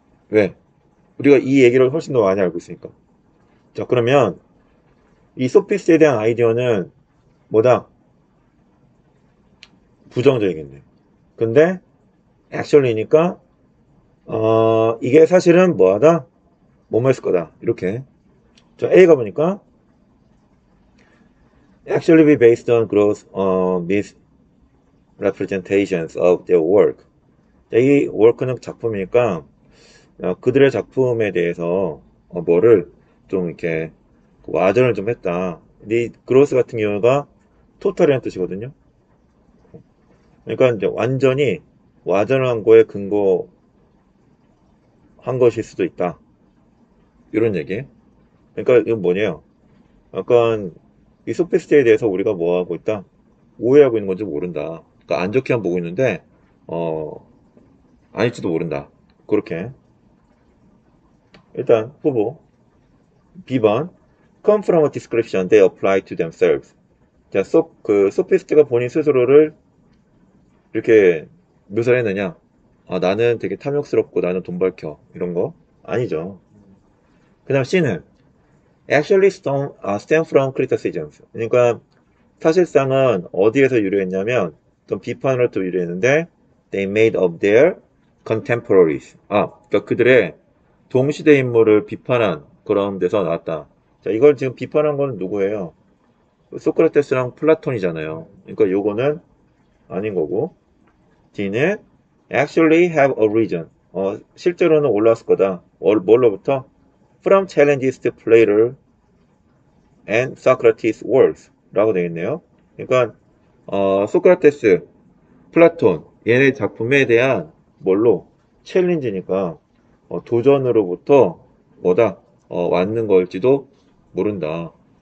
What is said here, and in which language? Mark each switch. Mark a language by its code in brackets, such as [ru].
[ko] 왜? 우리가 이 얘기를 훨씬 더 많이 알고 있으니까. 자, 그러면, 이 소피스에 대한 아이디어는 뭐다? 부정적이겠네. 근데, actually니까, 이게 사실은 뭐하다? 뭐뭐 했을 거다. 이렇게. 자, A가 보니까, [en] Actually, based on gross misrepresentations of their work. [ko] 이 work는 작품이니까 그들의 작품에 대해서 뭐를 좀 이렇게 와전을 좀 했다. 근데 이 gross 같은 경우가 total이라는 뜻이거든요. 그러니까 이제 완전히 와전한 거에 근거 한 것일 수도 있다. 이런 얘기예요. 그러니까 이건 뭐냐? 약간 이 소피스트에 대해서 우리가 뭐 하고 있다? 오해하고 있는 건지 모른다. 그러니까 안 좋게만 보고 있는데 아닐지도 모른다. 그렇게 일단 후보 B번 [en] come from a description they apply to themselves. [ko] 자, 그 소피스트가 본인 스스로를 이렇게 묘사를 했느냐? 아, 나는 되게 탐욕스럽고 나는 돈 밝혀. 이런 거? 아니죠. 그 다음 C는 [en] actually stem from criticisms. [ko] 그러니까 사실상은 어디에서 유래했냐면 좀 비판으로 또 유래했는데 [en] they made of their contemporaries. [ko] 아, 그러니까 그들의 동시대 인물을 비판한 그런 데서 나왔다. 자, 이걸 지금 비판한 거는 누구예요? 소크라테스랑 플라톤이잖아요. 그러니까 요거는 아닌 거고. [en] D는 actually have arisen. [ko] 실제로는 올라왔을 거다. 뭘로부터? [en] From challenges to Plato and Socrates' works. [ko] 라고 되어 있네요. 그러니까, 소크라테스, 플라톤, 얘네 작품에 대한 뭘로? 챌린지니까, 도전으로부터 뭐다? 왔는 걸지도 모른다.